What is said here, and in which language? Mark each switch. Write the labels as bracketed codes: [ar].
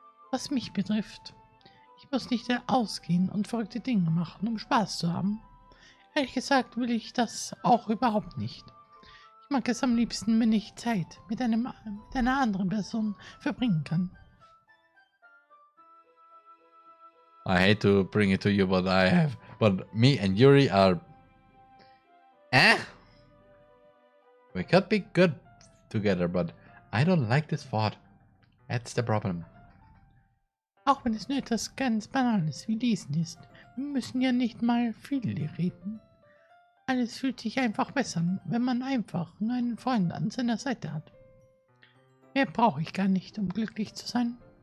[de] Was mich betrifft, ich muss nicht ausgehen und verrückte Dinge machen, um Spaß zu haben. Ehrlich gesagt will ich das auch überhaupt nicht. Ich mag es am liebsten, wenn ich Zeit mit einer anderen Person verbringen kann. [en] I hate to bring it to you, but I have, but me and Juri are, we could be good together, but I don't like this thought. That's the problem. [de] Auch wenn es nur etwas ganz Banales wie Lesen ist, wir müssen ja nicht mal viel reden. Alles fühlt sich einfach besser, wenn man einfach nur einen Freund an seiner Seite hat. Mehr brauche ich gar nicht, um glücklich zu sein.